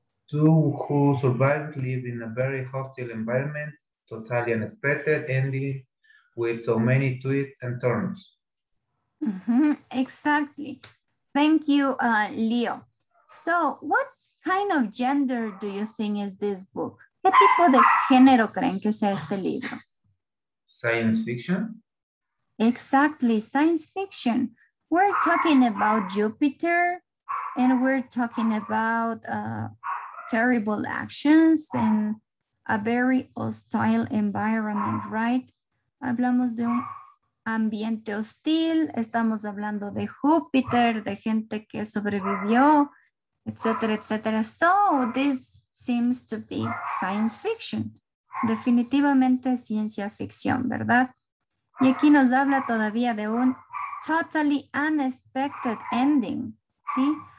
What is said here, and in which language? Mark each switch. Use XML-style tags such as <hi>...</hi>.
<en>Two who survived live in a very hostile environment, totally unexpected, ending with so many twists and turns. Mm-hmm. Exactly. Thank you, Leo. So, what kind of gender do you think is this book?</en> <es>¿Qué tipo de género creen que sea este libro?</es> <en>Science fiction. Exactly, science fiction. We're talking about Jupiter, and we're talking about terrible actions and a very hostile environment, right?</en> <es>Hablamos de un ambiente hostil, estamos hablando de Júpiter, de gente que sobrevivió, etcétera, etcétera.</es> <en>So, this seems to be science fiction.</en> <es>Definitivamente ciencia ficción, ¿verdad? Y aquí nos habla todavía de un</es> <en>totally unexpected ending,</en> <es>¿sí?</es>